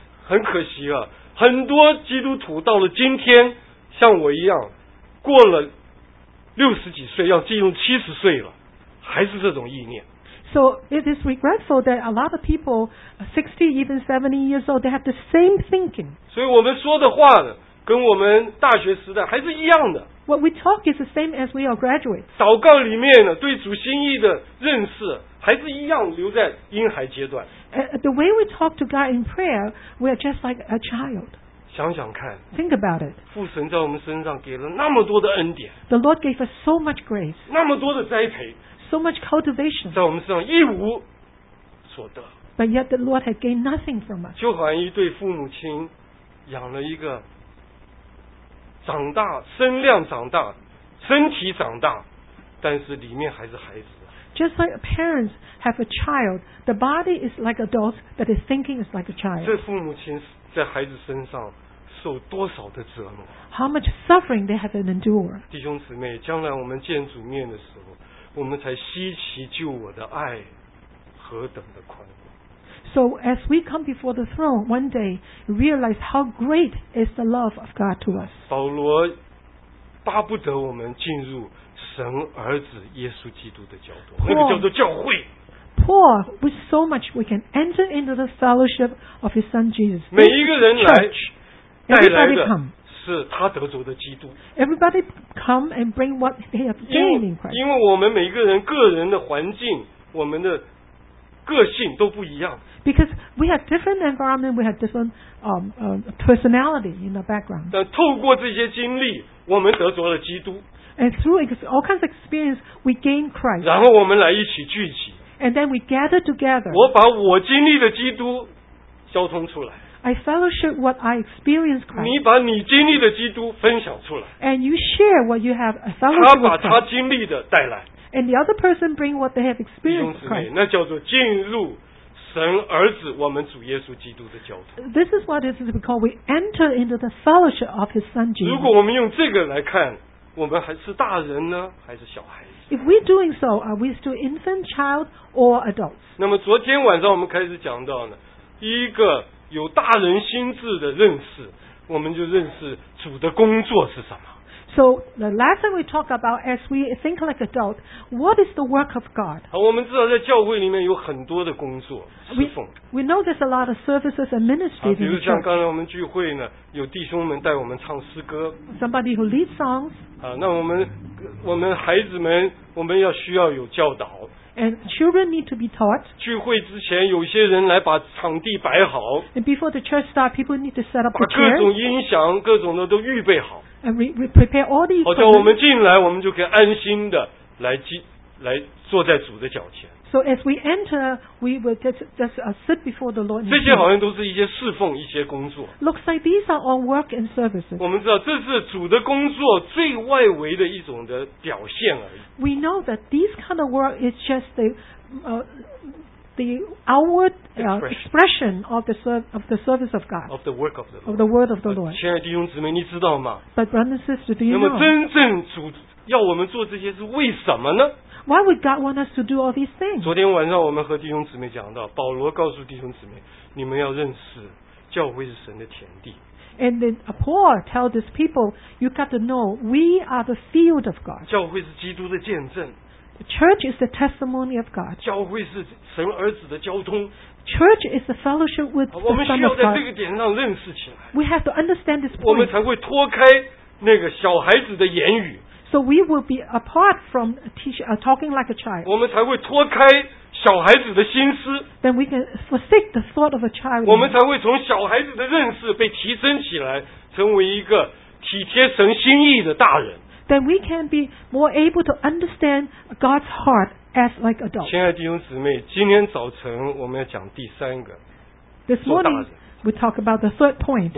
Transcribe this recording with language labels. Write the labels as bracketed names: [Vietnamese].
[Chinese] 很可惜啊，很多基督徒到了今天，像我一样，过了六十几岁，要进入七十岁了，还是这种意念。 [English] So it is regretful that a lot of people, 60, even 70 years old, they have the same thinking. [Chinese] 所以我们说的话呢，跟我们大学时代还是一样的。 [English] What we talk is the same as we are graduates. [Chinese] 祷告里面呢，对主心意的认识还是一样，留在婴孩阶段。 [English] The way we talk to God in prayer, we are just like a child. [Chinese] 想想看 [English] Think about it. [Chinese] 父神在我们身上给了那么多的恩典 [English] The Lord gave us so much grace. [Chinese] 那么多的栽培 [English] So much cultivation. [Chinese] 在我们身上一无所得 [English] But yet the Lord had gained nothing from us. [Chinese] 就好像一对父母亲养了一个长大身量长大身体长大但是里面还是孩子 [English] Just like parents have a child, the body is like adults, but the thinking is like a child. [Chinese] 这父母亲是在孩子身上受多少的折磨 [English] How much suffering they have endured [Chinese] 弟兄姊妹将来我们见主面的时候我们才稀奇救我的爱何等的宽广 [English] So as we come before the throne one day realize how great is the love of God to us [Chinese] 保罗巴不得我们进入神儿子耶稣基督的教堂那个叫做教会 [English] Paul, with so much, we can enter into the fellowship of His Son Jesus. [Chinese] 每一个人来 [English] Everybody come. [Chinese] 是他得着的基督 [English] Everybody come and bring what they have gained in Christ. [Chinese] 因为我们每一个人个人的环境，我们的个性都不一样 [English] Because we have different environment, we have different personality in the background. [Chinese] 但透过这些经历，我们得着了基督 [English] And through all kinds of experience, we gain Christ. [Chinese] 然后我们来一起聚集。 [English] And then we gather together. [Chinese] 我把我经历的基督交通出来。 [English] I fellowship what I experience Christ. [Chinese] 你把你经历的基督分享出来。 [English] And you share what you have fellowship with Christ. [Chinese] 他把他经历的带来。 [English] And the other person bring what they have experienced Christ. [Chinese] 弟兄姊妹，那叫做进入神儿子我们主耶稣基督的交通。 [English] This is what it is we call we enter into the fellowship of His Son Jesus. [Chinese] 如果我们用这个来看，我们还是大人呢，还是小孩子？ [English] If we're doing so, are we still infant, child, or adults? [Chinese] 那么昨天晚上我们开始讲到呢，一个有大人心智的认识，我们就认识主的工作是什么。 [English] So the last time we talk about, as we think like adults, what is the work of God? [Chinese] 好，我们知道在教会里面有很多的工作侍奉。 [English] We know there's a lot of services and ministries. [Chinese] 比如像刚才我们聚会呢，有弟兄们带我们唱诗歌。 [English] Somebody who leads songs. [Chinese] 啊，那我们孩子们，我们要需要有教导。 [English] And children need to be taught. [Chinese] 聚会之前，有些人来把场地摆好。 [English] And before the church starts, people need to set up the [Chinese] chairs. 把各种音响、各种的都预备好。 [English] And we prepare all these. [Chinese] 好像我们进来，我们就可以安心的来坐在主的脚前。 [English] So as we enter, we will just sit before the Lord. [Chinese] 这些好像都是一些侍奉、一些工作。 [English] Looks like these are all work and services. [Chinese] 我们知道这是主的工作最外围的一种的表现而已。 [English] We know that these kind of work is just the outward expression of the service of God of the work of the Lord of the word of the Lord [Chinese] 亲爱的弟兄姊妹你知道吗 [English] But brothers and sisters do you know [Chinese] 那么真正主要我们做这些是为什么呢 [English] Why would God want us to do all these things [Chinese] 昨天晚上我们和弟兄姊妹讲到保罗告诉弟兄姊妹你们要认识教会是神的田地 [English] And then Paul tells these people you got to know we are the field of God [Chinese] 教会是基督的见证 [English] Church is the testimony of God. [Chinese] 教会是神儿子的交通。 [English] Church is the fellowship with the Son of God. [Chinese] 我们需要在这个点上认识起来。 [English] We have to understand this point. [Chinese] 我们才会脱开那个小孩子的言语。 [English] So we will be apart from talking like a child. [Chinese] 我们才会脱开小孩子的心思。 [English] Then we can forsake the thought of a child. [Chinese] 我们才会从小孩子的认识被提升起来，成为一个体贴神心意的大人。 [English] Then we can be more able to understand God's heart as like adults. [Chinese] 亲爱的弟兄姊妹，今天早晨我们要讲第三个。 [English] This morning we talk about the third point.